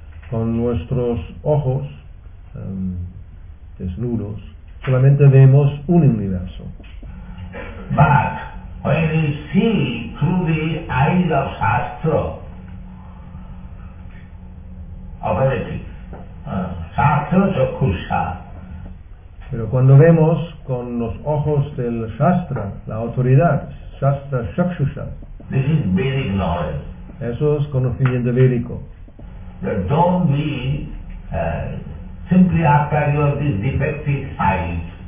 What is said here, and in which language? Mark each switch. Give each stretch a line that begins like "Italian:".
Spanish: Con nuestros ojos desnudos, solamente vemos un universo.
English: But when we see through the eyes of Shastra, of everything, Shastra Chakusha.
Spanish: Pero cuando vemos con los ojos del Shastra, la autoridad, Shastra Shakshusha.
English: This is Vedic knowledge.
Spanish: Eso es conocimiento védico.
English: But don't be simply after your this defective sight.